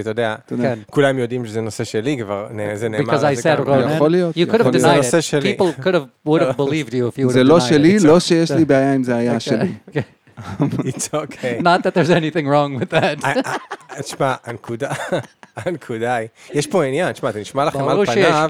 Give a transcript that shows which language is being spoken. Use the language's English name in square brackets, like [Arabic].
[Hebrew] אתה יודע, כולם יודעים שזה נושא שלי כבר, זה נאמר. [English] Because I said, Ronan, you could have denied it. People could have, would have believed you if you would have denied it. [Hebrew] זה לא שלי, לא שיש לי בעיה אם זה היה שלי. [English] It's okay. Not that there's anything wrong with that. [Hebrew] תשמע, הנקודה... הנקודה היא, יש פה עניין, תשמע, אתה נשמע לכם על פניו.